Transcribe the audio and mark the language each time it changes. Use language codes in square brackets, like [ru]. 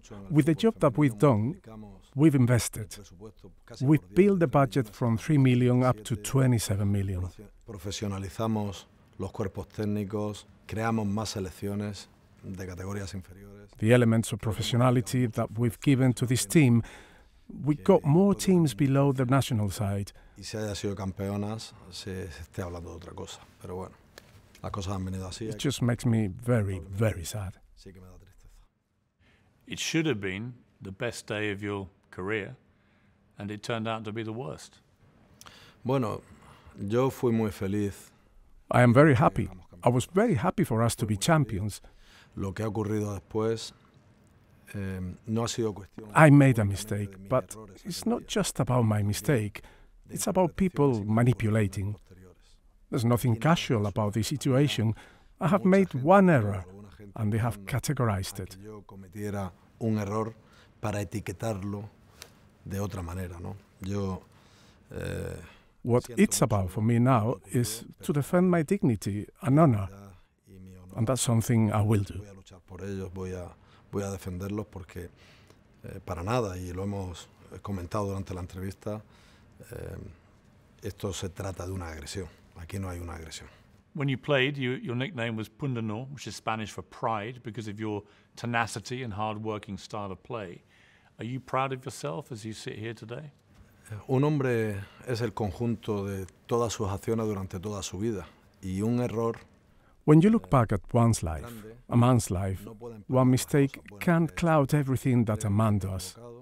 [en] With the job that we've done, we've invested. We've built the budget from 3 million up to 27 million. [es] Profesionalizamos los cuerpos técnicos, creamos más selecciones de categorías inferiores. [en] The elements of professionality that we've given to this team, we got more teams below the national side. [es] Y si haya sido campeonas, se esté hablando de otra cosa, pero bueno. [en] It just makes me very, very sad. It should have been the best day of your career, and it turned out to be the worst. [es] Bueno, yo fui muy feliz. [en] I am very happy. I was very happy for us to be champions. [es] Lo que ha ocurrido después, no ha sido cuestión. [en] I made a mistake, but it's not just about my mistake. It's about people manipulating. There's nothing casual about this situation. I have made one error, and they have categorized it. [es] Yo cometiera un error para etiquetarlo de otra manera, ¿no? Yo. [en] What it's about for me now is to defend my dignity and honor, and that's something I will do. [es] Voy a luchar por ellos. Voy a defenderlos porque para nada, y lo hemos comentado durante la entrevista. Esto se trata de una agresión. Aquí no hay una agresión. [en] When you played, your nickname was Pundano, which is Spanish for pride, because of your tenacity and hard-working style of play. Are you proud of yourself as you sit here today? [es] Un hombre es el conjunto de todas sus acciones durante toda su vida, y un error. [en] When you look back at one's life, a man's life, one mistake can't cloud everything that a man does.